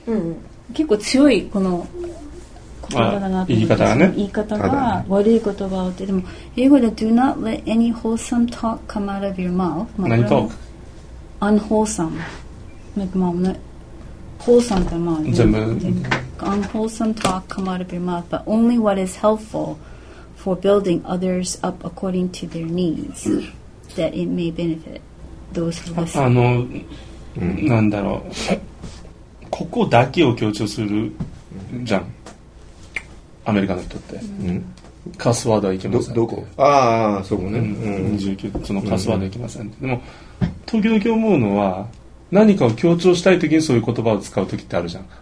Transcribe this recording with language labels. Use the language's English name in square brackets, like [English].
[Japanese] うん、結構強いこの言葉だなって。言い方がね。言い方が悪い言葉をって、でも、英語で [English] do not let any wholesome talk come out of your mouth。何トーク？ unwholesome。 [Japanese] なんかまあね、ホーサンってまあ全部、 [English] unwholesome talk come out of your mouth, but only what is helpful for building others up according to their needs, that it may benefit those who listen. [Japanese] あの、なんだろう、ここだけを強調するじゃん、アメリカの人って、カスワードはいけません。どこ？ああ、そこね。 29、そのカスワードはいけません。でも時々思うのは、何かを強調したいときにそういう言葉を使うときってあるじゃん。